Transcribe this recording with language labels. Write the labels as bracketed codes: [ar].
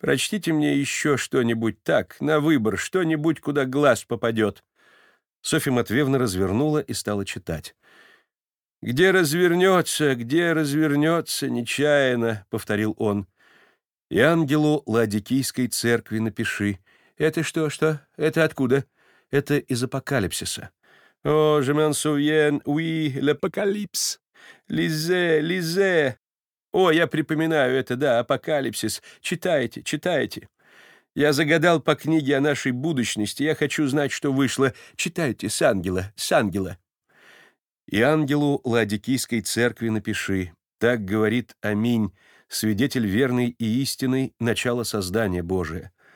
[ru] прочтите мне еще что-нибудь так, на выбор, что-нибудь, куда глаз попадет». Софья Матвеевна развернула и стала читать. Где развернется, нечаянно», — повторил он. «И ангелу Ладикийской церкви напиши». «Это что, что? Это откуда?» «Это из Апокалипсиса». [fr] «О, je m'en souviens, oui, l'Apocalypse. Lisez, lisez. [ru] О, я припоминаю это, да, Апокалипсис. Читайте, читайте. Я загадал по книге о нашей будущности. Я хочу знать, что вышло. Читайте, с ангела, с ангела». «И ангелу Ладикийской церкви напиши, так говорит Аминь, свидетель верный и истинный, начало создания Божия.